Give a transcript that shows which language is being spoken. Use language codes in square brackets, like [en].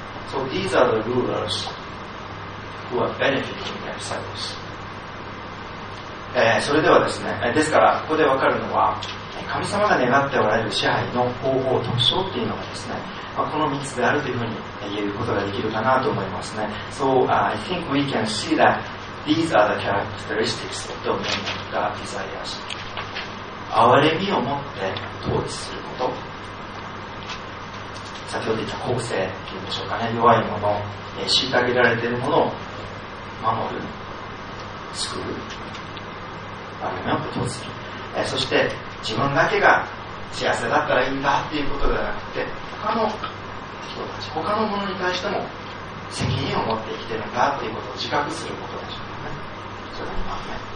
[en] So these are the rulers who are benefiting themselves. [ja] それではですね、ですからここでわかるのは、神様が願っておられる支配の方法、特徴っていうのがですね、まあ、この3つであるというふうに言えることができるかなと思いますね。 [en] So I think we can see that these are the characteristics of the men of God desires。 [ja] 憐れみを持って統治すること、先ほど言った公正というんでしょうかね、弱いもの、虐げられているものを守る、救う、憐れみを統治する、そして自分だけが幸せだったらいいんだということではなくて、他の人たち、他のものに対しても責任を持って生きているんだということを自覚することでしょうかね。